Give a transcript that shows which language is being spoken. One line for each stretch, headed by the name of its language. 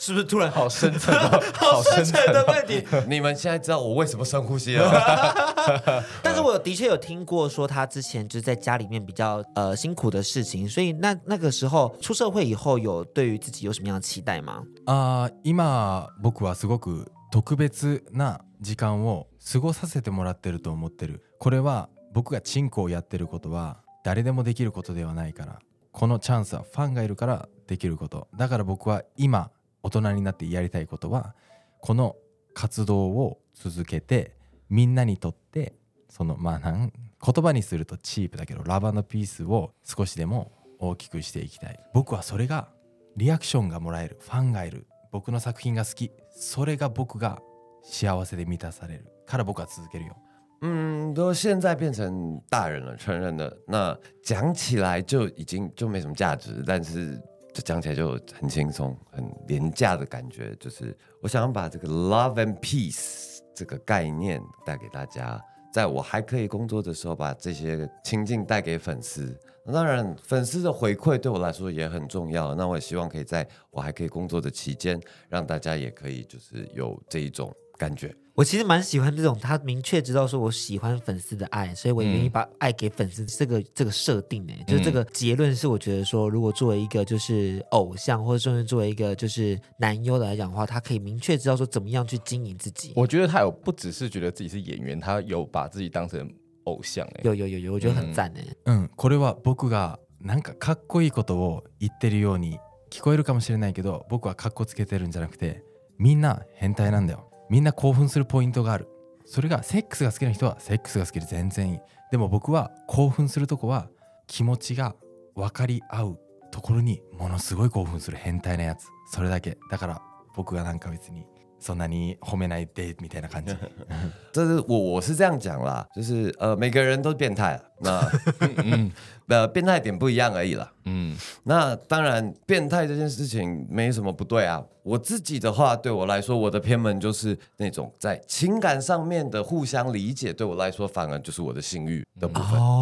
Chinese: 是不是突然好深沉，哦，好深沉的问题你们现在知道我为什么深呼吸了但是我的确有听过说他之前就是在家里面比较辛苦的事情，所以那个时候出社会以后有对于自己有什么样的期待吗？
Japanese: 今僕はすごく特別な時間を過ごさせてもらってると思ってる。これは僕がチンコをやってることは誰でもできることではないから、このチャンスはファンがいるからできること。だから僕は今大人になってやりたいことはこの活動を続けて、みんなにとってそのまあ言葉にするとチープだけどラバーのピースを少しでも大きくしていきたい。僕はそれがリアクションがもらえる、ファンがいる、僕の作品が好き、それが僕が幸せで満たされるから僕は続けるよ。
Chinese: 都现在变成大人了，成人了，那讲起来就已经就没什么价值，但是就讲起来就很轻松很廉价的感觉，就是我想把这个
English: love and peace
Chinese: 这个概念带给大家，在我还可以工作的时候把这些情境带给粉丝。当然粉丝的回馈对我来说也很重要，那我也希望可以在我还可以工作的期间让大家也可以就是有这一种感觉。我其实蛮喜欢这种他明确知道说我喜欢粉丝的爱，所以我愿意把爱给粉丝，这个设定，就是这个结论是我觉得说如果作为一个就是偶像或者甚至作为一个就是男优来讲的话，他可以明确知道说怎么样去经营自己。我觉得他有不只是觉得自己是演员，他有把自己当成偶像，有我觉得很赞。
Japanese: これは僕がなんかかっこいいことを言ってるように聞こえるかもしれないけど、僕はかっこつけてるんじゃなくてみんな変態なんだよ。みんな興奮するポイントがある。それがセックスが好きな人はセックスが好きで全然いい。でも僕は興奮するとこは気持ちが分かり合うところにものすごい興奮する変態なやつ、それだけ。だから僕がなんか別にそんなに褒めないでみたいな感じ
Chinese: 这是我是这样讲啦，就是每个人都变态，那变态点不一样而已啦。那当然变态这件事情没什么不对啊，我自己的话对我来说我的偏门就是那种在情感上面的互相理解，对我来说反而就是我的性欲的部分。